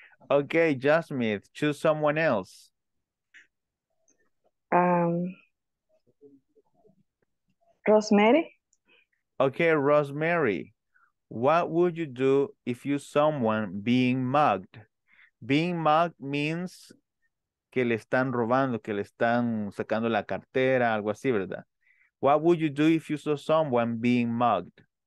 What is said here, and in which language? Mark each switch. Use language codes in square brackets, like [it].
[en] Okay, Jasmine, choose someone else. Rosemary. Okay, Rosemary. What would you do if you saw someone being mugged? [es] Being mugged means que le están robando, que le están sacando la cartera, algo así, ¿verdad? What would you do if you saw someone being mugged?